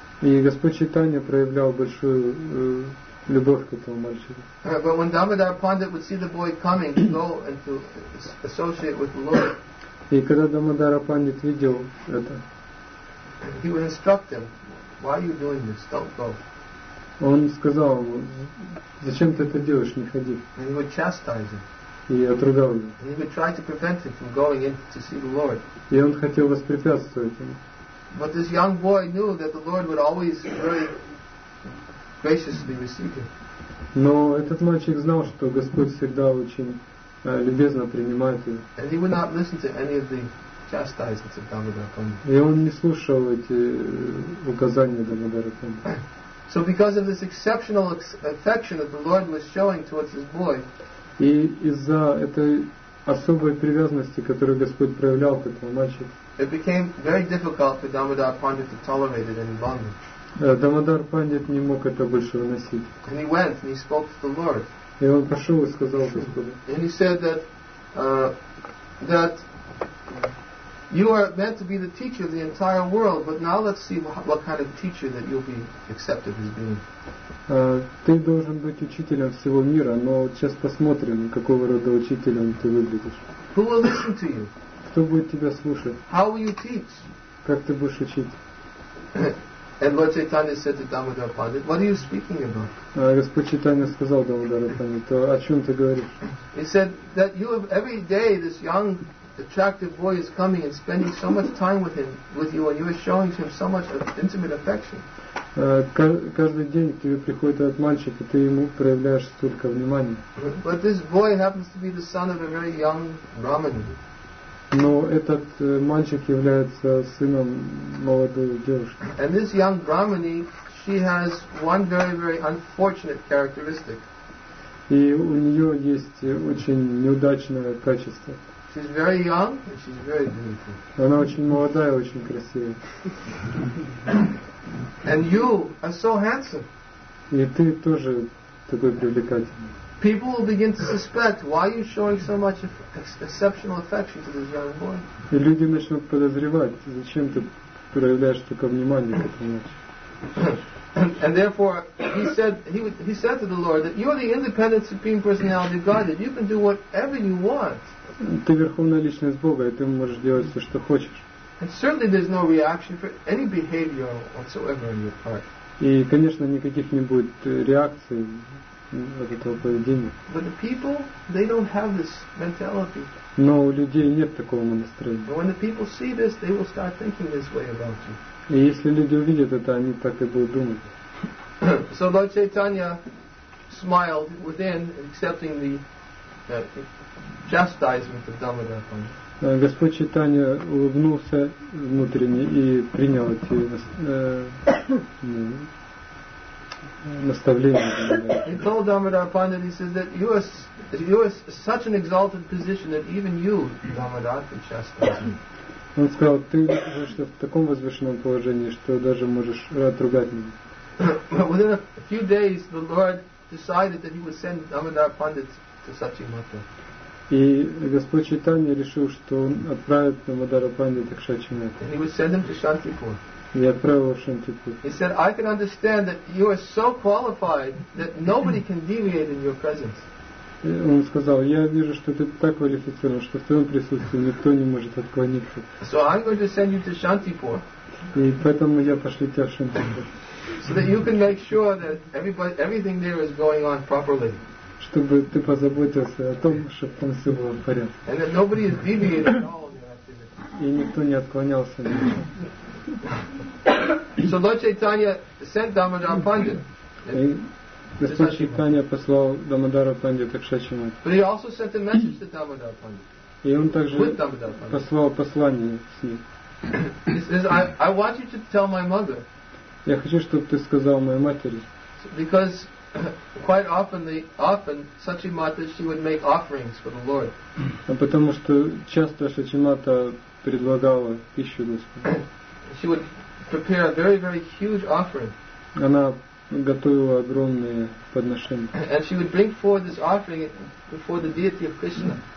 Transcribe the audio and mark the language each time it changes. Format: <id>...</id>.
<ru>И Господь Чайтанья проявлял большую любовь к этому мальчику.</ru> <en>But when Damodar Pandit would see the boy coming to go and to associate with the Lord,</en> <ru>и когда Дамодара Пандит видел это,</ru> <en>he would instruct him, "Why are you doing this? Don't go."</en> <ru>Он сказал ему, зачем ты это делаешь, не ходи.</ru> <en>And he would chastise him.</en> <ru>И отругал его.</ru> <en>And he would try to prevent him from going in to see the Lord.</en> <ru>И он хотел воспрепятствовать ему.</ru> <en>But this young boy knew that the Lord would always very graciously receive him.</en> <ru>Но этот мальчик знал, что Господь всегда очень любезно принимает его.</ru> <en>And he would not listen to any of the chastisements of Damodara Pandit.</en> <ru>И он не слушал эти указания Дамодара Пандит.</ru> <en>So because of this exceptional affection that the Lord was showing towards his boy,</en> <ru>и из-за этой особой привязанности, которую Господь проявлял к этому мальчику,</ru> <en>it became very difficult for Damodar Pandit to tolerate it any longer.</en> <ru>Дамодар Пандит не мог это больше выносить.</ru> <en>And he went and he spoke to the Lord.</en> <ru>И он пошел и сказал Господу.</ru> <en>And he said that you are meant to be the teacher of the entire world, but now let's see what kind of teacher that you'll be accepted as being.</en> <ru>Ты должен быть учителем всего мира, но сейчас посмотрим, какого рода учителем ты выглядишь.</ru> <en>Who will listen to you?</en> <ru>Кто будет тебя слушать?</ru> <en>How will you teach?</en> <ru>Как ты будешь учить?</ru> <en>And Lord Chaitanya said to Damodara Pandit, "What are you speaking about?"</en> <ru>Господь Чайтанья сказал Дамодару Пандиту, о чем ты говоришь?</ru> <en>He said that you have every day this young attractive boy is coming and spending so much time with him, with you, and you are showing him so much intimate affection.</en> <ru>Каждый день к тебе приходит этот мальчик, и ты ему проявляешь столько внимания.</ru> <en>But this boy happens to be the son of a very young Brahmin.</en> <ru>Но этот мальчик является сыном молодой девушки.</ru> <en>And this young Brahmini, she has one very, very unfortunate characteristic.</en> <ru>И у нее есть очень неудачное качество.</ru> <en>She's very young and she's very beautiful.</en> <ru>Она очень молодая, очень красивая.</ru> <en>And you are so handsome.</en> <ru>И ты тоже такой привлекательный.</ru> <en>People will begin to suspect, why are you showing so much exceptional affection to this young boy?</en> <ru>И люди начнут подозревать, зачем ты проявляешь такое внимание к этому мальчику.</ru> <en>And therefore, he said to the Lord that you are the independent supreme personality of Godhead. You can do whatever you want.</en> <ru>Ты верховная личность Бога, и ты можешь делать все, что хочешь.</ru> <en>And certainly there's no reaction for any behavior whatsoever on your part.</en> <ru>И, конечно, никаких не будет реакций от этого поведения.</ru> <en>But the people, they don't have this mentality.</en> <ru>Но у людей нет такого настроения.</ru> <en>But when the people see this, they will start thinking this way about you.</en> <ru>И если люди увидят это, они так и будут думать.</ru> <en>So Lord Chaitanya smiled within, accepting the chastisement of Damodara Pandita.</en> <ru>Господь Чайтанья улыбнулся внутренне и принял эти наставления.</ru> <en>He told Damodara Pandita, he says that you are such an exalted position that even you, Damodara, can chastise me.</en> <ru>Он сказал, ты находишься в таком возвышенном положении, что даже можешь отругать меня.</ru> <en>Within a few days, the Lord decided that he would send Damodara Pandit to Satchimata.</en> <ru>И Господь Чайтанья решил, что он отправит Дамодара Пандита к Шачимата.</ru> <en>And he would send him to Шантипур.</en> <ru>И отправил в Шантипур.</ru> <en>He said, I can understand that you are so qualified that nobody can deviate in your presence.</en> <ru>Он сказал, я вижу, что ты так квалифицирован, что в твоем присутствии никто не может отклониться.</ru> <en>So I'm going to send you to Shantipur.</en> <ru>И поэтому я пошлю тебя в Шантипур.</ru> <en>So that you can make sure that everything there is going on properly.</en> <ru>Чтобы ты позаботился о том, чтобы там все было в порядке.</ru> <en>And that nobody is deviating at all in your activity.</en> <ru>И никто не отклонялся.</ru> <en>So Lord Chaitanya sent Damodara Pandit.</en> <ru>Господь Чайтанья послал Дамодара Пандита к Шачимате.</ru> <en>But he also sent a message to Damodara Pandit.</en> <ru>И он также послал послание с ним.</ru> <en>He says, I want you to tell my mother.</en> <ru>Я хочу, чтобы ты сказал моей матери.</ru> <en>Because quite often Шачимата, she would make offerings for the Lord.</en> <ru>Потому что часто Шачимата предлагала пищу Господу.</ru> <en>She would prepare a very, very huge offering.</en> <ru>Она готовила огромные подношения.</ru> <en>And she would bring forward this offering before the deity of Krishna.</en>